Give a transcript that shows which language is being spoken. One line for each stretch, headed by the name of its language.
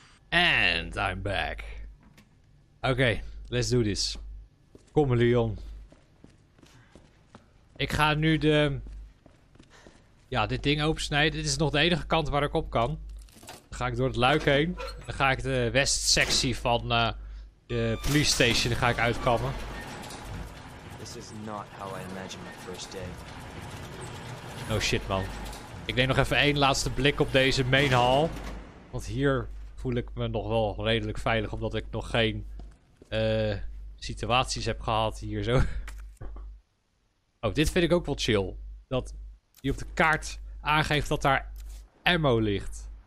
English: And I'm back. Okay, let's do this. Kom, Leon.
Dutch: Ik ga nu de... Ja, dit ding opensnijden. Dit is nog de enige kant waar ik op kan. Dan ga ik door het luik heen. Dan ga ik de westsectie van de police station ga ik uitkammen.
English: This is not how I imagined my first day. No shit, man.
Dutch: Ik neem nog even één laatste blik op deze main hall. Want hier voel ik me nog wel redelijk veilig, omdat ik nog geen situaties heb gehad hier zo. Oh, dit vind ik ook wel chill. Dat die op de kaart aangeeft dat daar ammo ligt.